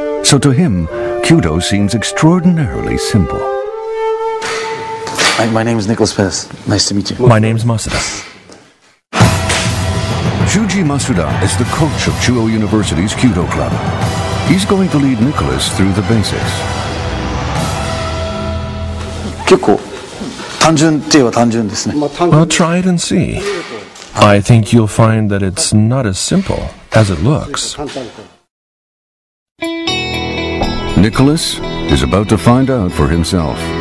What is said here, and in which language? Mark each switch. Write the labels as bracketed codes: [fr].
[en] So to him, Kyudo seems extraordinarily simple. My name is Nicholas Perez. Nice to meet you. My name's Masuda. Shuji Masuda is the coach of Chuo University's Kyudo Club. He's going to lead Nicholas through the basics. [ja] 結構単純って言えば単純ですね. [en] Well, try it and see. I think you'll find that it's not as simple as it looks. Nicholas is about to find out for himself.